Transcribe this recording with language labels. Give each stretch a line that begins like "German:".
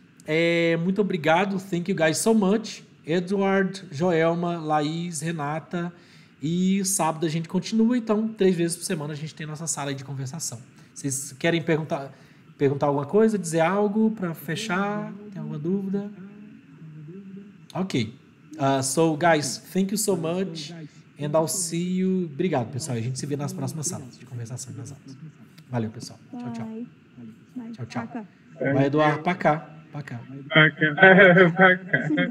Portuguese: É, muito obrigado.
English: Thank you guys so much.
Portuguese: Edward, Joelma, Laís, Renata, e sábado a gente continua, então 3 vezes por semana a gente tem nossa sala de conversação. Vocês querem perguntar alguma coisa, dizer algo para fechar? Tem alguma dúvida? Ok.
English: So, guys, thank you so much, and I'll see you.
Portuguese: Obrigado, pessoal. A gente se vê nas próximas salas de conversação. Nas aulas. Valeu, pessoal. Tchau, tchau. Tchau, tchau. Vai, Eduardo, para cá. Para cá. Para cá.